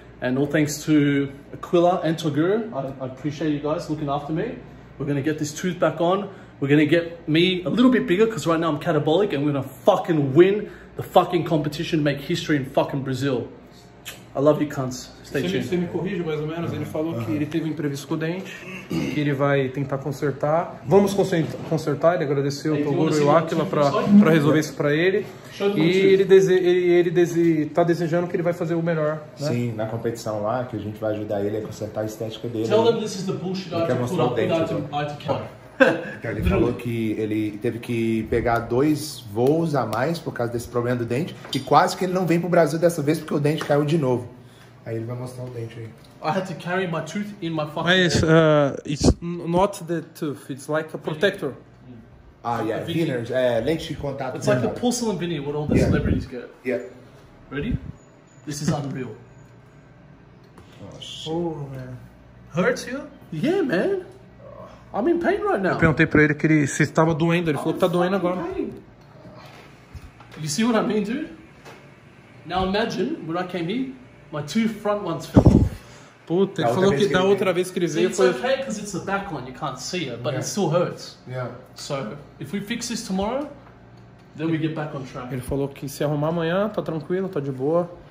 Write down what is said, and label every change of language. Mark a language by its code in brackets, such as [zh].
[en] And all thanks to Aquila and Toguro. I appreciate you guys looking after me. We're going to get this tooth back on. We're going to get me a little bit bigger because right now I'm catabolic and we're going to fucking win the fucking competition, make history in fucking Brazil. I love you cunts. Stay tuned. [pt] Você me corrige mais ou menos. Ele falou que ele teve um imprevisto com o dente, que ele vai tentar consertar. Vamos consertar. Ele agradeceu o Toguro e o Aquila para resolver isso para ele. E ele tá desejando que ele vai fazer o melhor, né? Sim, na competição lá, que a gente vai ajudar ele a consertar a estética dele. [en] Tell them this is the bullshit I have to put up with IT Cal. [pt] Então, ele falou que ele teve que pegar 2 voos a mais por causa desse problema do dente. E quase que ele não vem pro Brasil dessa vez porque o dente caiu de novo. Aí ele vai mostrar o dente aí. [en] I had to carry my tooth in my fucking... Mas, it's not the tooth, it's like a protector. Ah, yeah, veneers, [pt] lente de contato. [en] It's like a porcelain veneer, what all the celebrities get. Yeah. Ready? This is unreal. Oh, man. Hurts you? Yeah, man. I'm in pain right now. [pt] Eu perguntei pra ele se estava doendo. Ele falou que tá doendo agora. [en] You see what I mean, dude? Now imagine when I came here, my 2 front ones fell off. [pt] Puta, ele falou que da outra vez que ele veio foi... [en] It's okay because it's the back one, you can't see it, but it still hurts. Yeah. So, if we fix this tomorrow, then we get back on track. [pt] Ele falou que se arrumar amanhã, tá tranquilo, tá de boa.